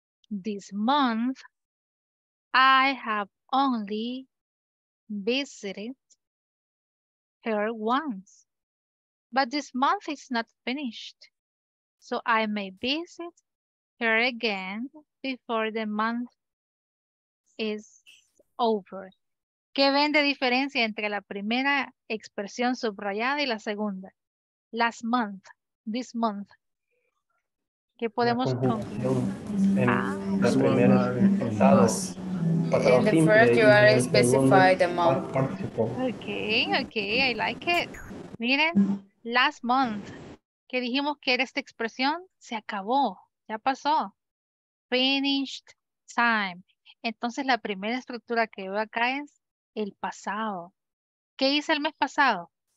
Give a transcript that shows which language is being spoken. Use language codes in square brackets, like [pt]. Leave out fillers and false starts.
[en] This month I have only visited her once, but this month is not finished, so I may visit her again before the month is over. [es] ¿Qué ven de diferencia entre la primera expresión subrayada y la segunda? [en] Last month, this month. [es] ¿Qué podemos concluir? [en] In the first, you are specified the month. Okay, I like it. [es] Miren, last month, que dijimos que era esta expresión, se acabó, ya pasó. [en] Finished time. [es] Entonces, la primera estructura que veo acá es el pasado. ¿Qué hice el mes pasado?